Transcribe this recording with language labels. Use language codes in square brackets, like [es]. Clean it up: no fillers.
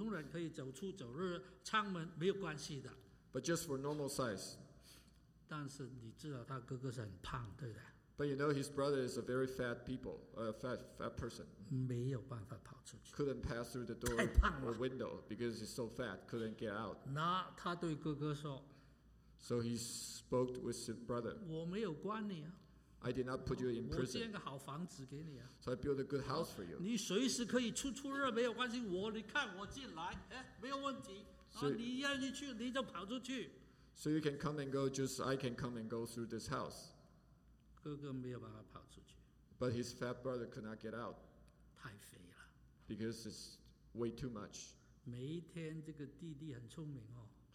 [zh] 尺寸都是普通人可以走出走入舱门没有关系的 [en] But just for normal size [zh] 但是你知道他哥哥是很胖对不对 [en] But you know his brother is a very fat people fat person [zh] 没有办法跑出去 [en] Couldn't pass through the door or window because he's so fat couldn't get out [zh] 那他对哥哥说 [en] So he spoke with his brother [zh] 我没有关你啊 [en] I did not put you in prison. [zh] 我建个好房子给你啊, [en] so I built a good house for you. [zh] 你随时可以出出入没有关系, 我你看我进来, 诶, 没有问题, [en] so, [zh] 啊, 你要进去, 你就跑出去。 [en] So you can come and go, just I can come and go through this house. [zh] 哥哥没有办法跑出去。 [en] But his fat brother could not get out. [zh] 太肥了。 [en] Because it's way too much. [zh] 每一天这个弟弟很聪明哦。